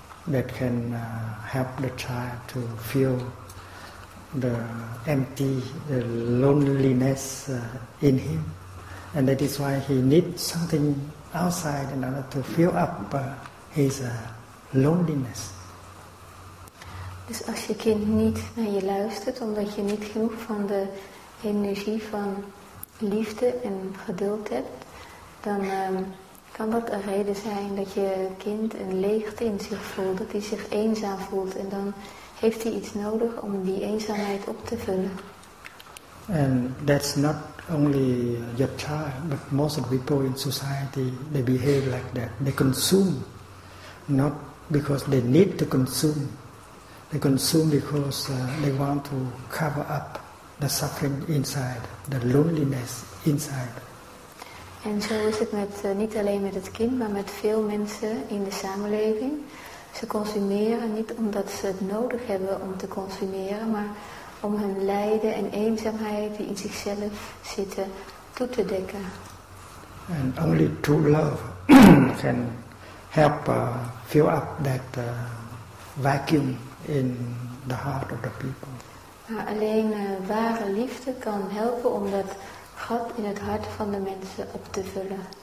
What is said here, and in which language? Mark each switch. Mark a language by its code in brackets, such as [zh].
[en] that can help the child to feel the empty, the loneliness in him, and that is why he needs something outside in order to fill up his loneliness. [nl] Dus als je kind niet naar je luistert omdat je niet genoeg van de energie van liefde en geduld hebt, dan kan dat een reden zijn dat je kind een leegte in zich voelt, dat hij zich eenzaam voelt, en dan heeft hij iets nodig om die eenzaamheid op te vullen. [en] And that's not only your child, but most of the people in society, they behave like that. They consume, not because they need to consume. They consume because they want to cover up the suffering inside, the loneliness inside. [nl] En zo is het met niet alleen met het kind, maar met veel mensen in de samenleving. Ze consumeren niet omdat ze het nodig hebben om te consumeren, maar om hun lijden en eenzaamheid die in zichzelf zitten toe te dekken. [en] And only true love can help fill up that vacuum in the heart of the people. [nl] Maar alleen ware liefde kan helpen om dat gat in het hart van de mensen op te vullen.